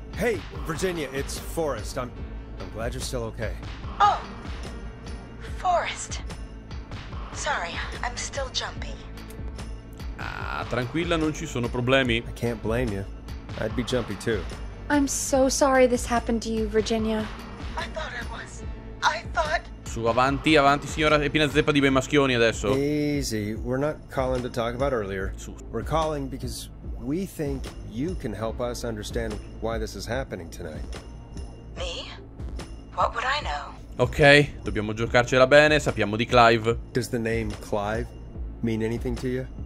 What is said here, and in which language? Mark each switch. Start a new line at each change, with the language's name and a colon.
English: Hey, Virginia, it's Forrest. I'm glad you're still okay. Oh, Forrest. Sorry, I'm still jumpy.
Italian: Ah, tranquilla, non ci sono problemi.
English: I can't blame you. I'd be jumpy too. I'm so sorry this happened to you, Virginia.
Italian: Su, avanti, avanti, signora, è piena zeppa di bei maschioni adesso.
English: Easy, we're not calling to talk about earlier. We're calling because we think you can help us understand why this is happening tonight. Me? What would I know?
Italian: Ok, dobbiamo giocarcela bene, sappiamo di Clive.
English: Does the name Clive mean anything to you?